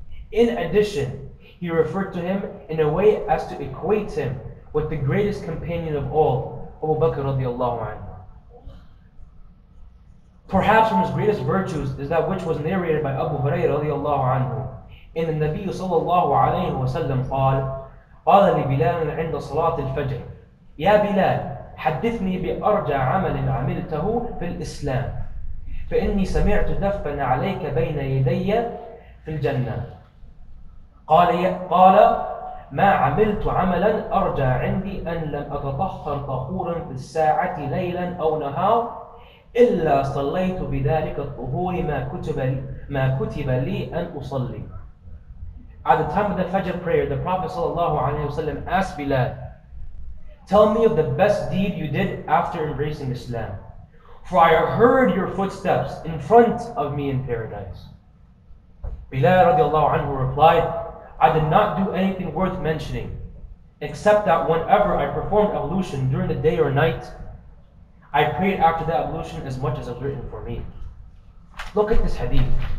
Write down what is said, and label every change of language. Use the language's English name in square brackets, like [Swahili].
[English] In addition, he referred to him in a way as to equate him with the greatest companion of all, Abu Bakr radiallahu anhu. Perhaps from his greatest virtues is that which was narrated by Abu Hurairah radiallahu anhu. [Arabic] إن النبي صلى الله عليه وسلم قال قال لبلال عند صلاة الفجر يا بلال حدثني بأرجى عمل عملته في الإسلام فإني سمعت دفن عليك بين يدي في الجنة قال ما عملت عملا أرجى عندي أن لم أتطهر طهورا في الساعة ليلا أو نهار إلا صليت بذلك الطهور ما كتب لي أن أصلي. [English] At the time of the Fajr prayer, the Prophet sallallahu alaihi wasallam asked Bilal, "Tell me of the best deed you did after embracing Islam, for I heard your footsteps in front of me in paradise." Bilal radiallahu anhu replied, "I did not do anything worth mentioning, except that whenever I performed ablution during the day or night, I prayed after that ablution as much as was written for me." Look at this hadith.